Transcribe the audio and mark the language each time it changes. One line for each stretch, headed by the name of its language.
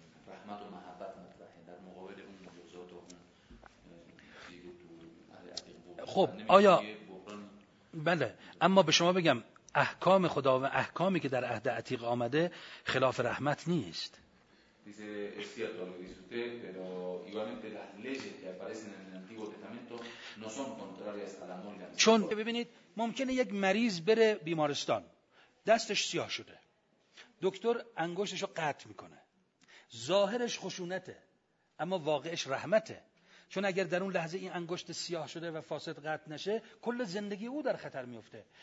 Persian: رحمت و محبت مطرحه در مقابل اون مجازات و اون چیزی تو خب آیا بحران... بله اما به شما بگم احکام خدا و احکامی که در عهد عتیق آمده خلاف رحمت نیست.
Spanish: dice cierto lo dice usted pero igualmente las leyes que aparecen en el antiguo testamento no son contrarias a la moral.
Persian: چون ببینید ممکنه یک مریض بره بیمارستان، دستش سیاه شده، دکتر انگشتش رو قطع میکنه، ظاهرش خشونته اما واقعش رحمته، چون اگر در اون لحظه این انگشت سیاه شده و فاسد قطع نشه کل زندگی او در خطر میفته.